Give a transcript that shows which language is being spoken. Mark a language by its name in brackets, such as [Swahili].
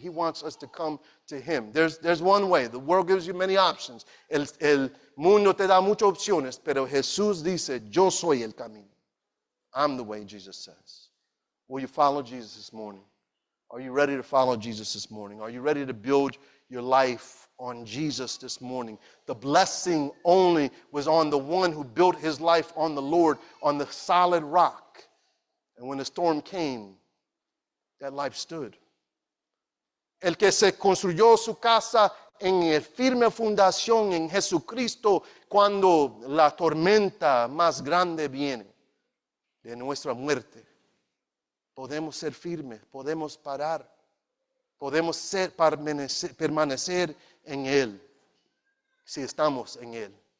[English] He wants us to come to him. There's one way. The world gives you many options. [Spanish] El mundo te da muchas opciones, pero Jesús dice, yo soy el camino. [English] I'm the way, Jesus says. Will you follow Jesus this morning? Are you ready to follow Jesus this morning? Are you ready to build your life on Jesus this morning? The blessing only was on the one who built his life on the Lord, on the solid rock. And when the storm came, that life stood. [Spanish] El que se construyó su casa en el firme fundación en Jesucristo cuando la tormenta más grande viene de nuestra muerte. Podemos ser firmes, podemos parar, podemos permanecer en él si estamos en él.